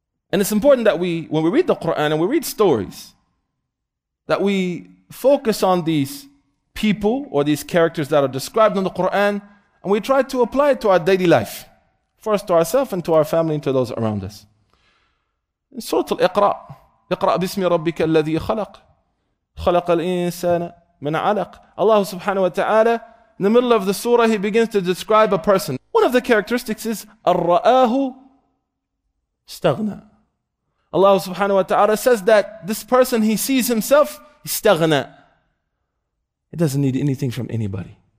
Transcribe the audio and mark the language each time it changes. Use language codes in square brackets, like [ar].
[en] And it's important that we, when we read the Quran and we read stories, that we focus on these people or these characters that are described in the Quran, and we try to apply it to our daily life, first to ourselves and to our family and to those around us. In Surah Al-Iqra, [ar] اقرأ باسم ربك الذي خلق خلق الإنسان من علق. [en] Allah subhanahu wa ta'ala, in the middle of the surah, He begins to describe a person. One of the characteristics is [ar] الرَّآهُ استغنى. [en] Allah subhanahu wa ta'ala says that this person, he sees himself استغنى. He doesn't need anything from anybody.